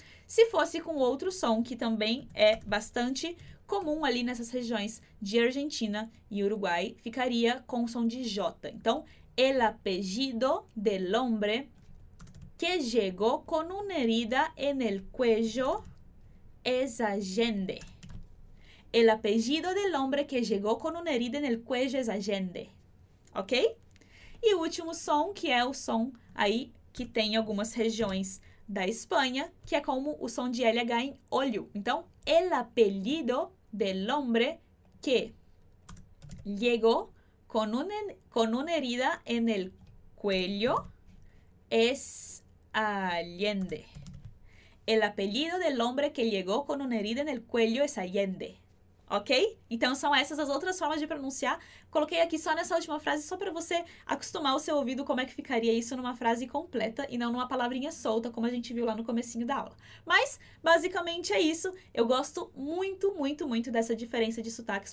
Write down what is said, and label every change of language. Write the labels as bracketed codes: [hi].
[pt] Se fosse com outro som, que também é bastante comum ali nessas regiões de Argentina e Uruguai, ficaria com o som de J. [es] Então, el apellido del hombre que llegó con una herida en el cuello es Allende. El apellido del hombre que llegó con una herida en el cuello es Allende. Ok? [pt] E o último som, que é o som aí que tem algumas regiões da Espanha, que é como o som de LH em olho. [es] Então, el apellido del hombre que llegó con una herida en el cuello es Allende. El apellido del hombre que llegó con una herida en el cuello es Allende. Ok? [pt] Então, são essas as outras formas de pronunciar. Coloquei aqui só nessa última frase, só para você acostumar o seu ouvido como é que ficaria isso numa frase completa e não numa palavrinha solta, como a gente viu lá no comecinho da aula. Mas, basicamente, é isso. Eu gosto muito, muito, muito dessa diferença de sotaques.